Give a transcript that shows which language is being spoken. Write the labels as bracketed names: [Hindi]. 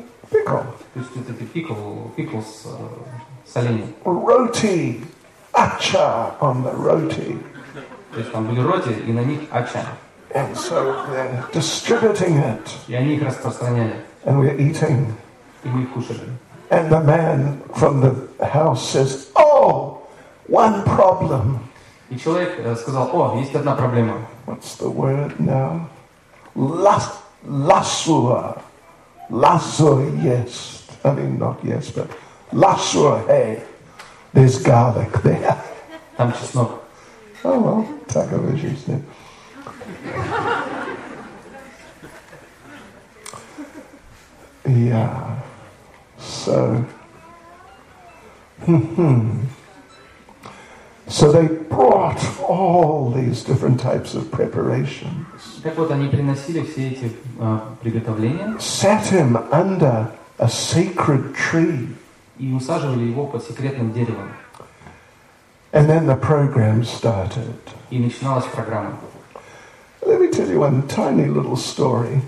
[English] pickle. [Russian] То есть это pickle с соленьем. [English] Roti, acha on the roti. [Russian] То есть там были роти и на них acha. [English] And so they're distributing it. [Russian] И они их распространяли. [English] And we're eating. [Russian] И мы кушали. [English] And the man from the house says, "Oh, one problem." [Russian] И человек сказал: "О, есть одна проблема." [English] What's the word now? Lasua. Lasua, yes. I mean, not yes, but lasua. Hey, there's garlic there. [Russian] Там чеснок. [English] Oh well, takavishes there. Yeah. So, so they brought all these different types of preparations. [Russian] Так вот, они приносили все эти приготовления. [English] Set him under a sacred tree. [Russian] И усаживали его под секретным деревом. [English] And then the program started. [Russian] И начиналась программа. [English] Let me tell you one tiny little story.